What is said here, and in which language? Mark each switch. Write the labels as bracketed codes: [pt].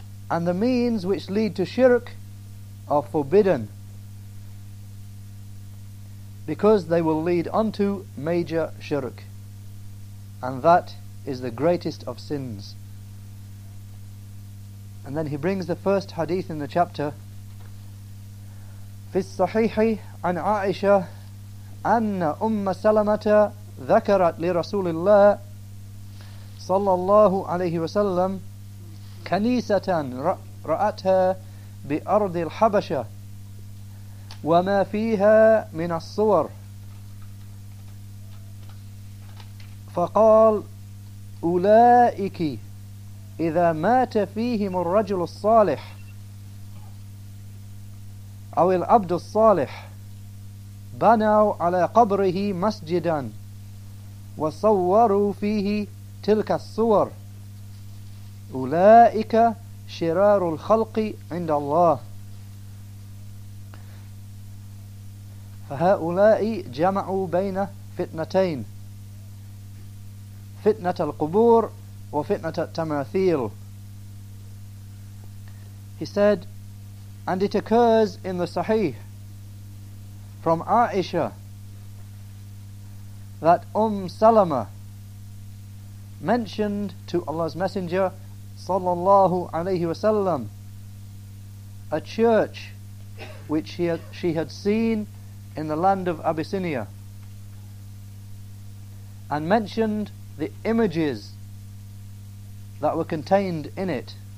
[en] And the means which lead to shirk are forbidden because they will lead onto major shirk, and that is the greatest of sins. And then he brings the first hadith in the chapter. [ar] في الصحيح عن عائشة أن أم سلمة ذكرت لرسول الله صلى الله عليه وسلم كنيسة رأتها بأرض الحبشة وما فيها من الصور فقال أولئك إذا مات فيهم الرجل الصالح أو العبد الصالح بنوا على قبره مسجدا وصوروا فيه تلك الصور أولئك شرار الخلق عند الله فهؤلاء جمعوا بين فتنتين فتنة القبور وفتنة التماثيل. [en] He said, and it occurs in the Sahih from Aisha that Salama mentioned to Allah's Messenger sallallahu alayhi wasallam a church which she had seen in the land of Abyssinia, and mentioned the images that were contained in it.